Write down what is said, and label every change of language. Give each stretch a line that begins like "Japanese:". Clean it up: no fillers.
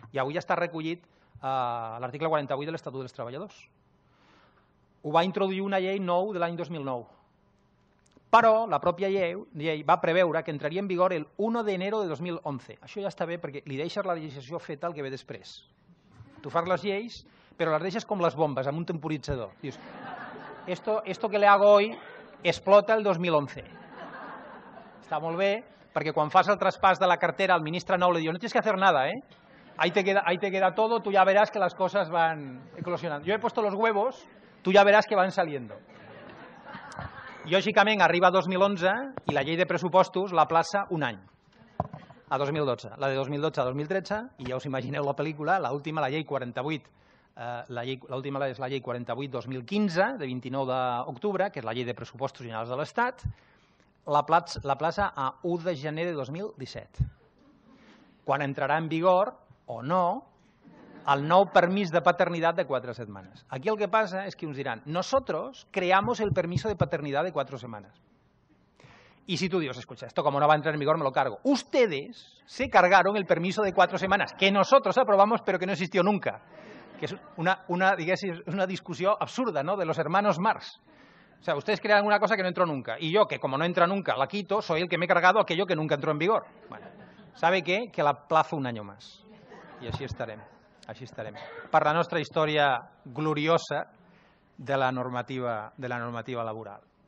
Catalan: I avui ja està recollit a l'article 48 de l'Estatut dels Treballadors. Ho va introduir una llei nou de l'any 2009. Però la pròpia llei va preveure que entraria en vigor el 1 d'enero de 2011. Això ja està bé perquè li deixes la legislació feta el que ve després. Tu fas les lleis, però les deixes com les bombes, amb un temporitzador.
Spanish: Dius, esto que le hago hoy explota el 2011.
Catalan: Està molt bé, perquè quan fas el traspàs de la cartera al ministre nou li diu,
Spanish: no tienes que hacer nada, ¿eh? Ahí te queda todo, tú ya verás que las cosas van eclosionando. Yo he puesto los huevos, tú ya verás que van saliendo.
Catalan: I lògicament arriba 2011 i la llei de pressupostos la plaça un any, a 2012. La de 2012 a 2013, i ja us imagineu la pel·lícula, l'última, la llei 48, l'última és la llei 48-2015, de 29 d'octubre, que és la llei de pressupostos generals de l'Estat, la plaça a 1 de gener de 2017. Quan entrarà en vigor, o no, el nou permís de paternitat de 4 setmanes. Aquí el que passa és que uns diran,
Spanish: nosotros creamos el permiso de paternidad de 4 semanas.
Catalan: I si tu dius,
Spanish: escucha, esto como no va a entrar en vigor, me lo cargo. Ustedes se cargaron el permiso de 4 semanas, que nosotros aprobamos, pero que no existió nunca. Que es una discusión absurda, ¿no?, de los hermanos Marx. O sea, ustedes crean una cosa que no entró nunca. Y yo, que como no entra nunca, la quito, soy el que me he cargado aquello que nunca entró en vigor. Bueno, ¿sabe qué? Que la plazo un año más. Y así estaremos.
Catalan: Així estarem. Per la nostra història gloriosa de la normativa, laboral.